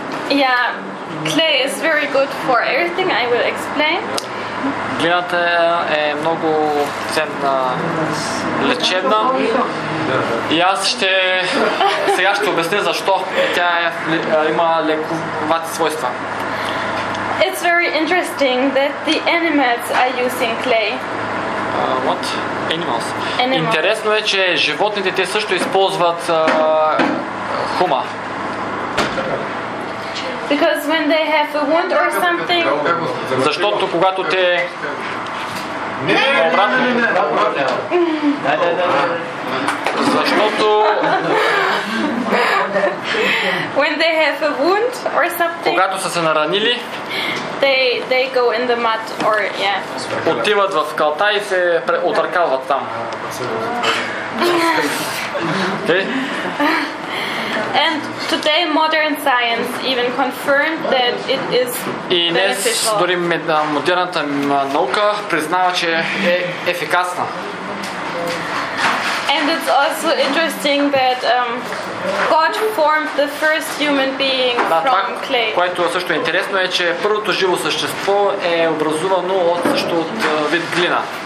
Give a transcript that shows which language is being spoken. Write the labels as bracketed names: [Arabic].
[English] Yeah, clay is very good for everything. I will explain. [Bulgarian] Глината е много ценна, лечебна. И аз ще сега ще обясня защо тя има лековати свойства. [English] It's very interesting that the animals are using clay. What? Animals. [Bulgarian] Интересно е, че животните те също използват хума. [English] Because when they have a wound or something. [Bulgarian] Защото когато те. Защото. [English] When they have a wound or something. [Bulgarian] Когато са се наранили. [English] They go in the mud or yeah. [Bulgarian] Отиват в калта и се отъркават там. [English] And today modern science even confirmed that it is beneficial. [Bulgarian] И днес дори модерната наука признава, че е ефикасна. [English] And it's also interesting that God formed the first human being from clay. [Bulgarian] Което също е интересно е, че първото живо същество е образувано от също от вид глина.